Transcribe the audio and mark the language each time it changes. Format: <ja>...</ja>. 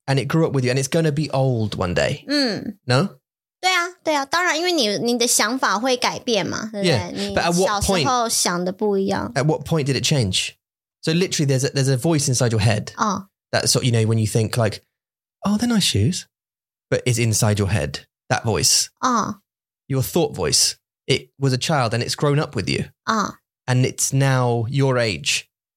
<en>And it grew up with you, and it's going to be old one day. No?</en> <zh>对啊,当然,因为你的想法会改变嘛, 对不对?</zh> <en>Yeah, but at what point...</en> <zh>小时候想的不一样.</zh> <en>At what point did it change? So literally there's a voice inside your head. Oh. That's sort of, you know, when you think like, oh, they're nice shoes. But it's inside your head. That voice. Oh. Your thought voice. It was a child and it's grown up with you. Oh. And it's now your age.</en>